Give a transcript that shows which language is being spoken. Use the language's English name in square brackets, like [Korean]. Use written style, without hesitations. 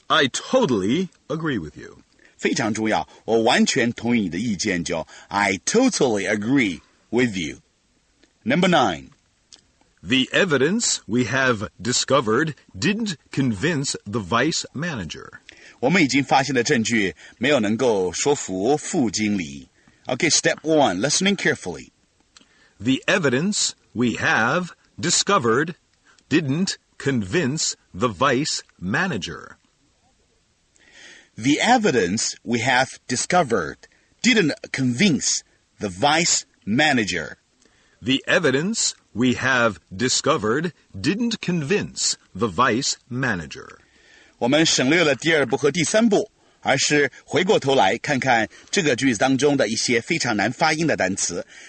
[English] I totally agree with you. [Chinese] 非常重要，我完全同意你的意见，就 [English] I totally agree with you. Number 9. The evidence we have discovered didn't convince the vice manager. [Chinese] 我们已经发现的证据没有能够说服副经理。 [English] Okay, step 1, listening carefully. The evidence we have discovered didn't convince the vice manager. The evidence we have discovered didn't convince the vice manager. The evidence... We have discovered didn't convince the vice manager. [Chinese] 我们省略了第二步和第三步，而是回过头来看看这个句子当中的一些非常难发音的单词。